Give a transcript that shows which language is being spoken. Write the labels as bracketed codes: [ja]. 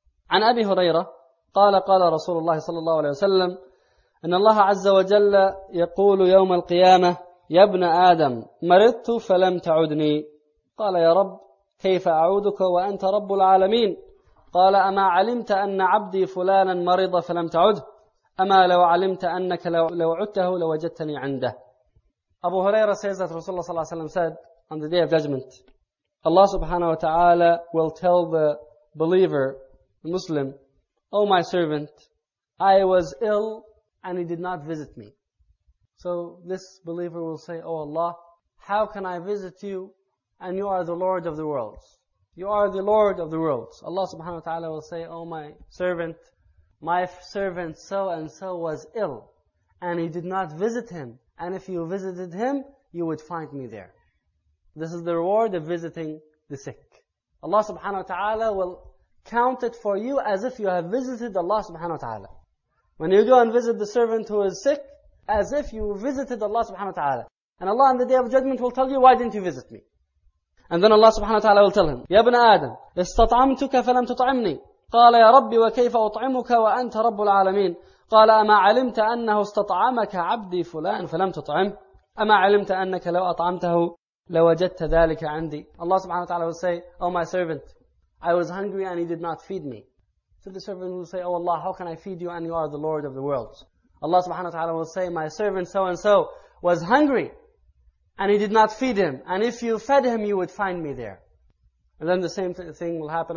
[ar] عن أبي هريرة قال قال رسول الله صلى الله عليه وسلم إن الله عز وجل يقول يوم القيامة يا ابن آدم مرضت فلم تعدني قال يا رب كيف أعودك وأنت رب العالمين قال أما علمت أن عبدي فلانا مرض فلم تعد أما لو علمت أنك لو عدته لوجدتني عنده. [en] أبو هريرة says that Rasulullah صلى الله عليه وسلم said on the day of judgment Allah subhanahu wa ta'ala will tell the believer Muslim, oh my servant, I was ill and he did not visit me. So this believer will say, oh Allah, how can I visit you and you are the Lord of the worlds? You are the Lord of the worlds. Allah subhanahu wa ta'ala will say, oh my servant so and so was ill and he did not visit him. And if you visited him, you would find me there. This is the reward of visiting the sick. Allah subhanahu wa ta'ala will count it for you as if you have visited Allah subhanahu wa ta'ala. When you go and visit the servant who is sick, as if you visited Allah subhanahu wa ta'ala. And Allah on the day of judgment will tell you, why didn't you visit me? And then Allah subhanahu wa ta'ala will tell him, [ar] يا ابن آدم استطعمتك فلم تطعمني قال يا ربي وكيف أطعمك وأنت رب العالمين قال أما علمت أنه استطعمك عبدي فلان فلم تطعم أما علمت أنك لو أطعمته لوجدت ذلك عندي. [en] Allah subhanahu wa ta'ala will say, oh my servant, I was hungry and he did not feed me. So the servant will say, oh Allah, how can I feed you and you are the Lord of the worlds? Allah subhanahu wa ta'ala will say, my servant so and so was hungry and he did not feed him. And if you fed him, you would find me there. And then the same thing will happen.